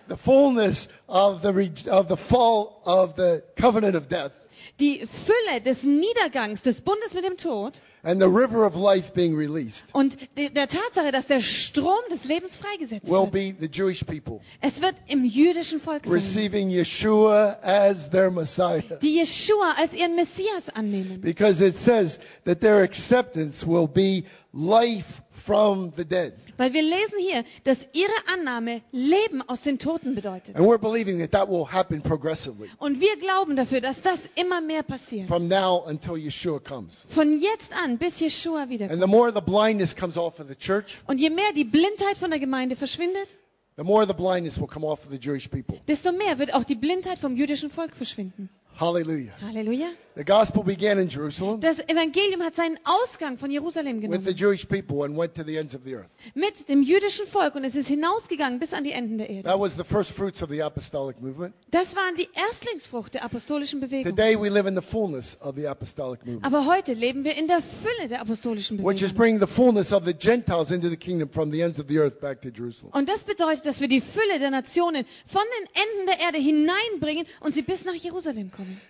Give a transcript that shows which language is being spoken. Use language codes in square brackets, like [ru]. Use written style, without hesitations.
[en] The fullness of the fall of the covenant of death. [de] Die Fülle des Niedergangs des Bundes mit dem Tod. [en] And the river of life being released. [de] Und der Tatsache, dass der Strom des Lebens freigesetzt [en] will Be the Jewish people. [de] Es wird im jüdischen Volk sein. [en] Receiving Yeshua as their Messiah. [de] Die Yeshua als ihren Messias annehmen. [en] Because it says that their acceptance will be life from the dead. [de] Weil wir lesen hier, dass ihre Annahme Leben aus den Toten bedeutet. [en] And we're believing that that will happen progressively. [de] Und wir glauben dafür, dass das immer mehr passiert. [en] From now until Yeshua comes. [de] Von jetzt an, bis Yeshua wiederkommt. [en] And the more the blindness comes off of the church, [de] und je mehr die Blindheit von der Gemeinde verschwindet, [en] the more the blindness will come off of the Jewish people. [de] Desto mehr wird auch die Blindheit vom jüdischen Volk verschwinden. [en] Hallelujah. [de] Halleluja. [en] The gospel began in Jerusalem. [de] Das Evangelium hat seinen Ausgang von Jerusalem genommen. [en] With the Jewish people and went to the ends of the earth. [de] Mit dem jüdischen Volk und es ist hinausgegangen bis an die Enden der Erde. [en] That was the first fruits of the apostolic movement. [de] Das waren die Erstlingsfrucht der apostolischen Bewegung. [en] Today we live in the fullness of the apostolic movement. [de] Aber heute leben wir in der Fülle der apostolischen Bewegung. [en] Which is bringing the fullness of the Gentiles into the kingdom from the ends of the earth back to Jerusalem. [de] Und das bedeutet, dass wir die Fülle der Nationen von den Enden der Erde hineinbringen und sie bis nach Jerusalem kommen.